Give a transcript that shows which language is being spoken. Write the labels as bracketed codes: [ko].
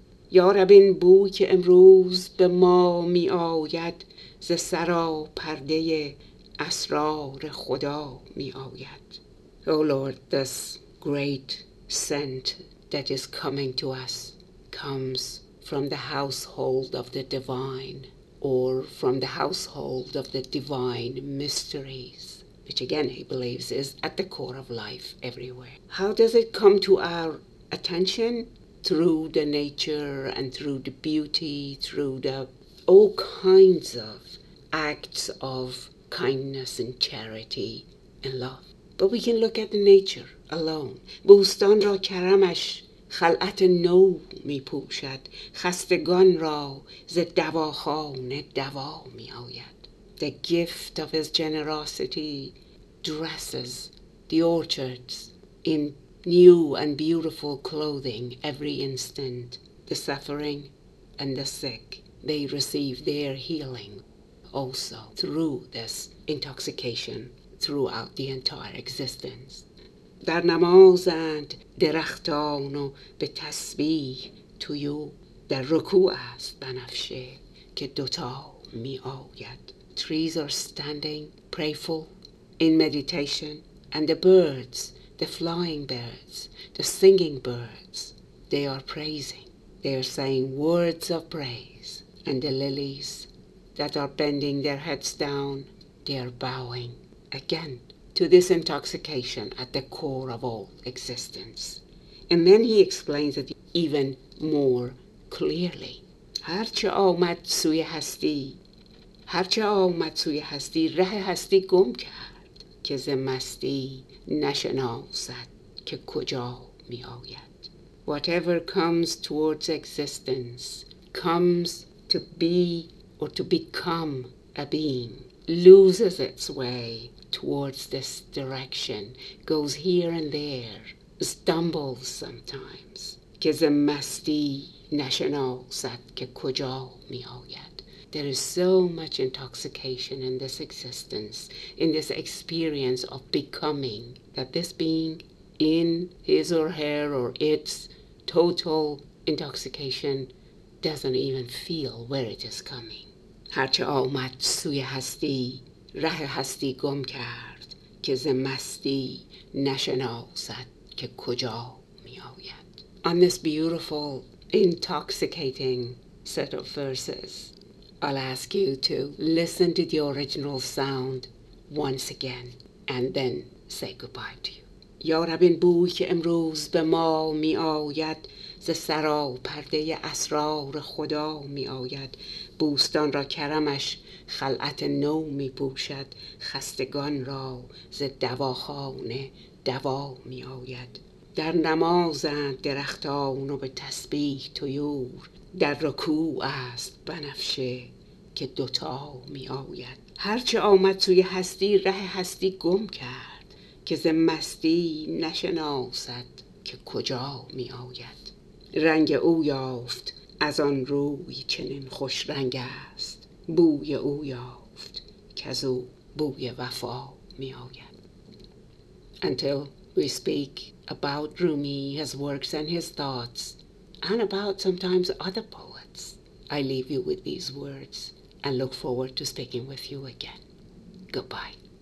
[fa] یا رب این بو که امروز به ما می آید ز سرا پرده اسرار خدا می آید. [en] Oh Lord, this great scent that is coming to us comes from the household of the divine, or from the household of the divine mysteries, which again he believes is at the core of life everywhere. How does it come to our attention? Through the nature and through the beauty, through the all kinds of acts of kindness and charity and love. But we can look at the nature alone. [fa] بوستان را کرمش خلعت نو می پوشد، خستگان را ز دواخانه دوا می آید. [en] The gift of his generosity dresses the orchards in new and beautiful clothing every instant. The suffering and the sick, they receive their healing also through this intoxication throughout the entire existence. [fa] در نمازند درختان و به تسبیح تویو، در رکوع است بنفشه که دوتا می آید. [en] Trees are standing prayerful in meditation, and the birds, the flying birds, the singing birds, they are praising. They are saying words of praise. And the lilies that are bending their heads down, they are bowing again to this intoxication at the core of all existence. And then he explains it even more clearly. [fa] هرچه آمد سوی هستی، هرچه آمد سوی هستی، ره هستی گم کرد که ز مستی نشناسد که کجا می آید. [en] Whatever comes towards existence comes to be or to become a being, loses its way towards this direction, goes here and there, stumbles sometimes. [fa] که ز مستی نشناسد که کجا می آید. [en] There is so much intoxication in this existence, in this experience of becoming, that this being, in his or her or its total intoxication, doesn't even feel where it is coming. [fa] هرچه آمد سوی هستی، ره هستی گم کرد، که ز مستی نشناسد که کجا می آید. [en] On this beautiful, intoxicating set of verses, I'll ask you to listen to the original sound once again and then say goodbye to you. [fa] یا رب این بوی که امروز به ما می آید ز سرا پرده اسرار خدا می آید، بوستان را کرمش خلعت نو می پوشد، خستگان را ز دواخانه دوا می آید. در نمازند درختان و به تسبیح طیور، در رکوع است بنفشه که دوتا می آید. هرچه آمد توی هستی، ره هستی گم کرد که ز مستی نشناسد که کجا می آید. رنگ او یافت از آن روی چنین خوش رنگ است، بوی او یافت که از او بوی وفا می آید. [en] Until we speak about Rumi, his works and his thoughts, and about sometimes other poets, I leave you with these words. And look forward to speaking with you again. Goodbye.